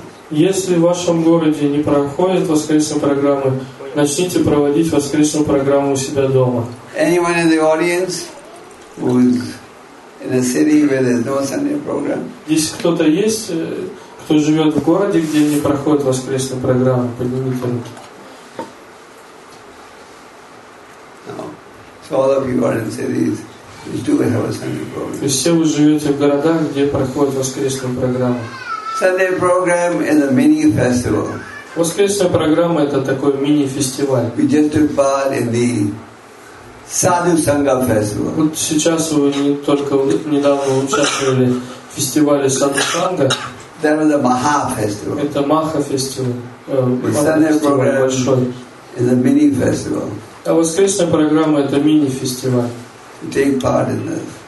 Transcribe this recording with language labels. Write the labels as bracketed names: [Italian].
[Russian] Если в вашем городе не проходит воскресная программа, начните проводить воскресную программу у себя дома. [English] Anyone in the audience who's in a city where there's no Sunday program? [Russian] Если кто-то есть, кто живет в городе, где не проходит воскресная программа, поднимите руки. [English] All of you are in cities. You do have a Sunday program. [Russian] То есть все вы живете в городах, где проходит воскресная программа. [English] Sunday program is a mini festival. [Russian] Воскресная программа это такой мини-фестиваль. [English] We just took part in the Sadhu Sangha festival. [Russian] Вот сейчас вы только недавно участвовали в фестивале Sadhu Sangha. [English] That was a Maha festival. [Russian] Это Maha festival. [English] Sunday program is a mini festival. [Russian] А воскресная программа это мини-фестиваль. [English] Take part in this.